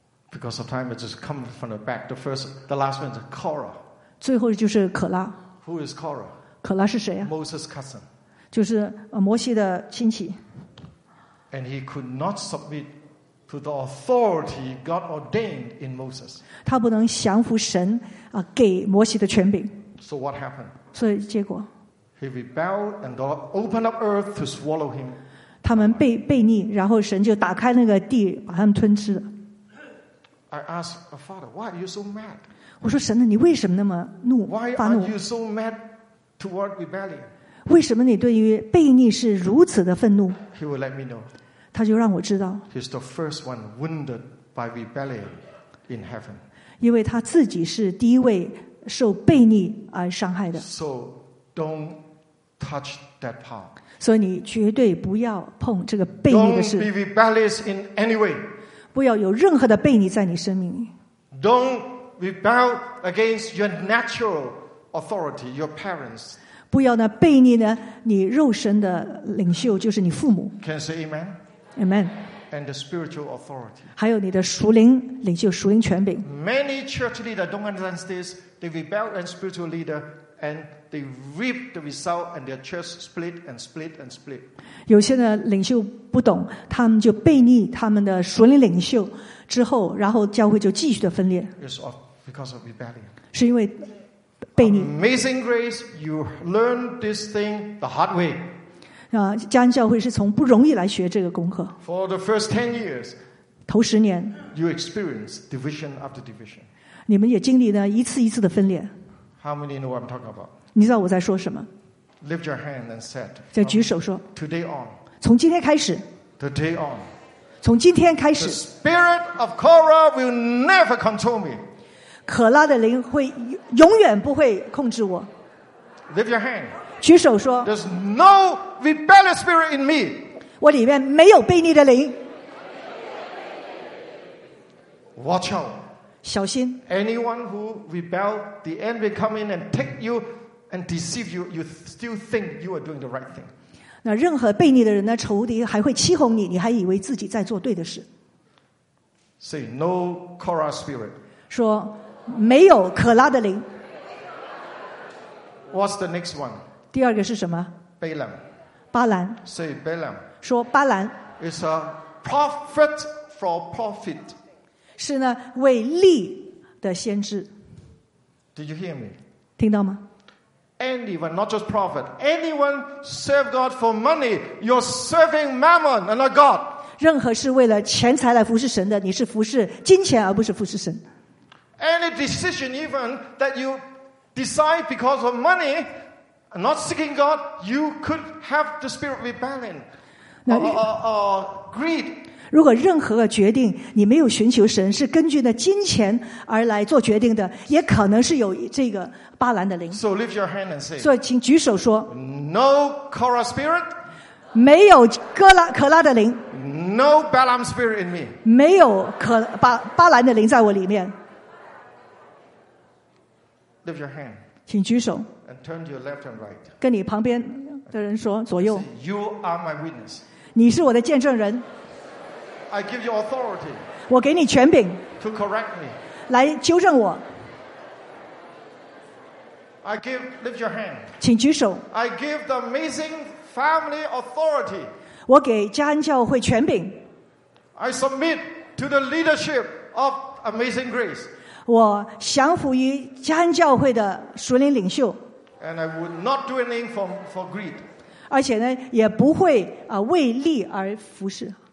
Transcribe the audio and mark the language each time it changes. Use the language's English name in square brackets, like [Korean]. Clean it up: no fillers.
[English] Because of time, it just comes from the back. The last one is Korah. [Chinese] 最后就是可拉。 [English] Who is Korah? [Chinese] 可拉是谁啊？ [English] Moses' cousin. [Chinese] 就是摩西的亲戚。 [English] And he could not submit to the authority God ordained in Moses. [Chinese] 他不能降服神啊，给摩西的权柄。 [English] So what happened? [Chinese] 所以结果。 [English] He rebelled and God opened up earth to swallow him. [Chinese] 他们背逆，然后神就打开那个地，把他们吞吃了。 [English] I asked a father, "Why are you so mad?" [Chinese] 我说神呢，你为什么那么怒？ [English] Why are you so mad toward rebellion? [Chinese] 为什么你对于悖逆是如此的愤怒？ [English] He will let me know. [Chinese] 他就让我知道。 [English] He's the first one wounded by rebellion in heaven. [Chinese] 因为他自己是第一位受悖逆而伤害的。 [English] So don't touch that part. [Chinese] 所以你绝对不要碰这个悖逆的事。 [English] Don't be rebellious in any way. [Chinese] 不要有任何的悖逆在你生命里。 [English] Don't rebel against your natural authority, your parents. [Chinese] 不要呢悖逆呢你肉身的领袖就是你父母。 [English] Can you say amen? Amen. And the spiritual authority. [Chinese] 还有你的属灵领袖属灵权柄。 [English] Many church leaders don't understand this. They rebel and spiritual leader and they reap the result and their church split and split and split. [Chinese] 有些呢领袖不懂他们就悖逆他们的属灵领袖之后然后教会就继续的分裂。 [English] It's because of rebellion. [Chinese] 是因为悖逆。 [English] Amazing grace, you learn this thing the hard way. [Chinese] 加恩教会是从不容易来学这个功课。 [English] For the first 10 years, [Chinese] 头十年 [English] you experience division after division. [Chinese] 你们也经历了一次一次的分裂。 [English] How many know what I'm talking about? [Chinese] 你知道我在说什么？ [English] Lift your hand and said. [Chinese] 就举手说。 [English] Today on. [Chinese] 从今天开始。 [English] Today on. [Chinese] 从今天开始。 [English] The spirit of Korah will never control me. [Chinese] 可拉的灵会永远不会控制我。 [English] Lift your hand. [Chinese] 举手说。 [English] There's no rebellious spirit in me. [Chinese] 我里面没有悖逆的灵。 [English] Watch out. [Chinese] 小心。 [English] Anyone who rebel, the end will come in and take you and deceive you. You still think you are doing the right thing. [Chinese] 那任何悖逆的人呢？仇敌还会欺哄你，你还以为自己在做对的事。 [English] Say no, Korah spirit. [Chinese] 说。没有可拉的灵。 [English] What's the next one? [Chinese] 第二个是什么？ [English] Balaam. [Chinese] 巴兰。 [English] Say Balaam. [Chinese] 说巴兰。 [English] It's a prophet for profit. [Chinese] 是呢，为利的先知。 [English] Did you hear me? [Chinese] 听到吗？ [English] Anyone, not just prophet, anyone serve God for money, you're serving mammon and not God. [Chinese] 任何是为了钱财来服侍神的，你是服侍金钱而不是服侍神。 [English] Any decision even that you decide because of money and not seeking God, you could have the spirit of rebellion or greed. [Chinese] 如果任何决定你没有寻求神是根据的金钱而来做决定的也可能是有这个巴兰的灵。 [English] So lift your hand and say, [Chinese] 所以请举手说 [English] No Korah spirit, [Chinese] 没有可拉的灵 [English] No Balaam spirit in me, [Chinese] 没有巴兰的灵在我里面。 [English] Lift your hand. [Chinese] 请举手。 [English] And turn to your left and right. [Chinese] 跟你旁边的人说左右。 [English] You are my witness. [Chinese] 你是我的见证人。 [English] I give you authority. [Chinese] 我给你权柄。 [English] To correct me. [Chinese] 来纠正我。 [English] I give, lift your hand. [Chinese] 请举手。 [English] I give the amazing family authority. [Chinese] 我给加恩教会权柄。 [English] I submit to the leadership of amazing grace. [Chinese] 我降服于加恩教会的属灵领袖 [English] And I would not do anything for greed. [Chinese] 而且呢也不会为利而服侍。